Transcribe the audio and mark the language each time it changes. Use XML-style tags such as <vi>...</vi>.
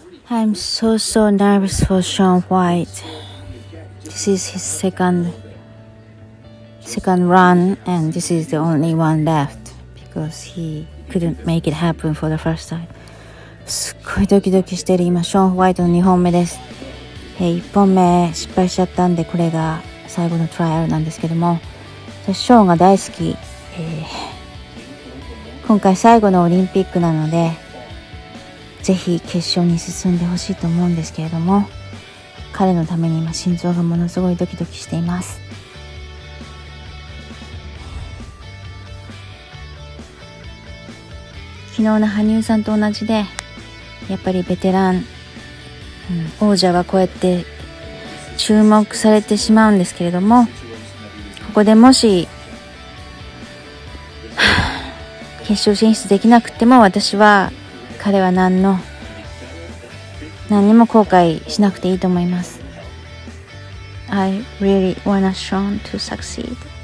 <en>I'm so so nervous for Shaun White. This is his second run, and this is the only one left because he couldn't make it happen for the first time.</en> <ja>すっごいドキドキしてる今、ショーン・ホワイトの2本目です。1本目失敗しちゃったんで、これが最後のトライアルなんですけども、ショーンが大好き。今回最後のオリンピックなので、ぜひ決勝に進んでほしいと思うんですけれども、彼のために今心臓がものすごいドキドキしています。昨日の羽生さんと同じで、やっぱりベテラン、王者はこうやって注目されてしまうんですけれども、ここでもし決勝進出できなくても、私は彼は何にも後悔しなくていいと思います。</ja> <en>I really wanna Shaun to succeed.</en>